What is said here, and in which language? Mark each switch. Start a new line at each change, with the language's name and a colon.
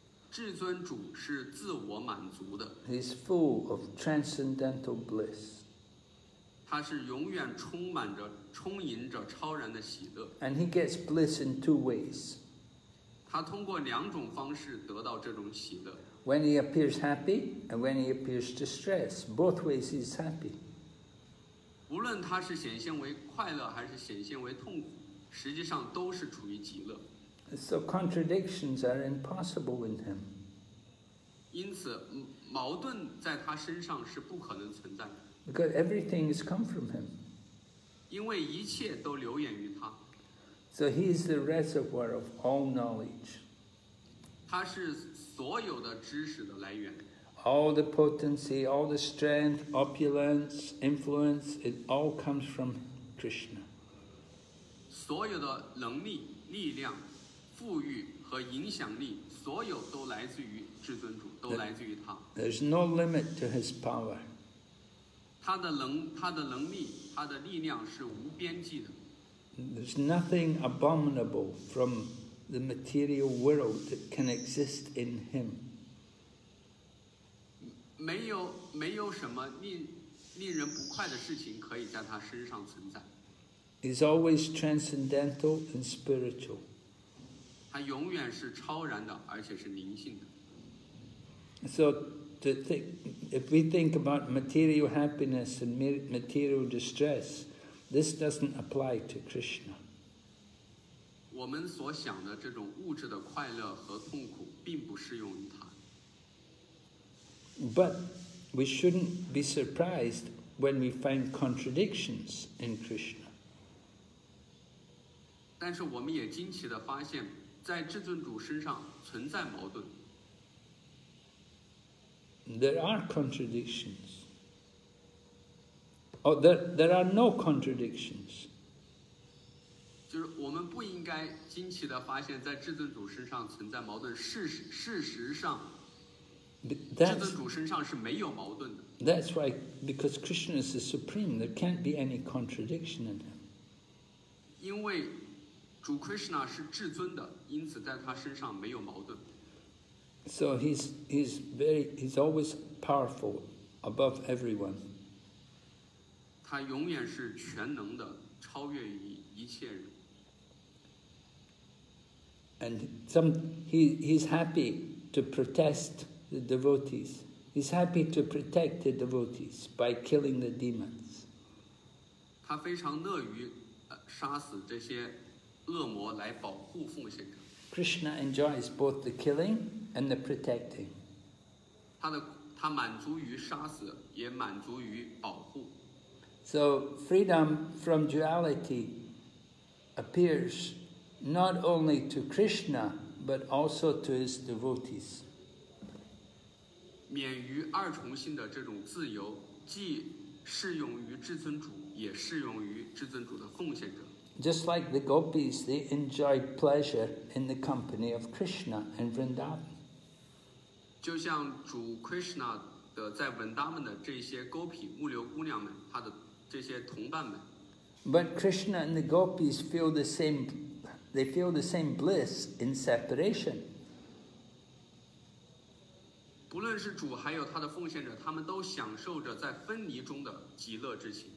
Chinese: 至尊主是自我满足的。
English: He's full of transcendental bliss.
Chinese: 他是永远充盈着超然的喜乐。
English: And he gets bliss in two ways.
Chinese: 他通过两种方式得到这种喜乐。
English: When he appears happy and when he appears distressed, both ways he's happy.
Chinese: 无论他是显现为快乐还是显现为痛苦，实际上都是处于极乐。
English: So contradictions are impossible in him.
Chinese: 因此，矛盾在他身上是不可能存在的。
English: Because everything has come from him.
Chinese: 因为一切都流源于他。
English: So he is the reservoir of all knowledge.
Chinese: 他是所有的知识的来源。
English: All the potency, all the strength, opulence, influence, it all comes from Krishna.
Chinese: 所有的能力、力量、富裕和影响力，所有都来自于至尊主，都来自于他。
English: There's no limit to his power.
Chinese: 他的能力、他的力量是无边际的。
English: There's nothing abominable from the material world that can exist in him.
Chinese: 没有什么令人不快的事情可以在他身上存在。
English: He's always transcendental and spiritual.
Chinese: 他永远是超然的，而且是灵性的。
English: So, if we think about material happiness and material distress, this doesn't apply to Krishna.
Chinese: 我们所想的这种物质的快乐和痛苦并不适用于他。
English: But we shouldn't be surprised when we find contradictions in Krishna.
Chinese: 但是我们也惊奇地发现，在至尊主身上存在矛盾。
English: There are contradictions. Oh, there are no contradictions.
Chinese: 就是我们不应该惊奇地发现，在至尊主身上存在矛盾。事实上。
English: That's why, because Krishna is the Supreme, there can't be any contradiction in him.
Chinese: 因为主 Krishna 是至尊的，因此在他身上没有矛盾。
English: So he's always powerful above everyone.
Chinese: 他永远是全能的，超越于一切人。
English: And he's happy to protest. The devotees. He's happy to protect the devotees by killing the demons.
Chinese: 他非常乐于杀死这些恶魔来保护奉献者。
English: Krishna enjoys both the killing and the protecting.
Chinese: 它满足于杀死，也满足于保护。
English: So freedom from duality appears not only to Krishna but also to his devotees.
Chinese: 免于二重性的这种自由，既适用于至尊主，也适用于至尊主的奉献者。
English: Just like the gopis, they enjoy pleasure in the company of Krishna and Vrindavan.
Chinese: 就像主 Krishna 的在 Vrindavan 的这些 gopi 木流姑娘们，他的这些同伴们。
English: But Krishna and the gopis feel the same, they feel the same bliss in separation.
Chinese: 不论是主还有他的奉献者，他们都享受着在分离中的极乐之情。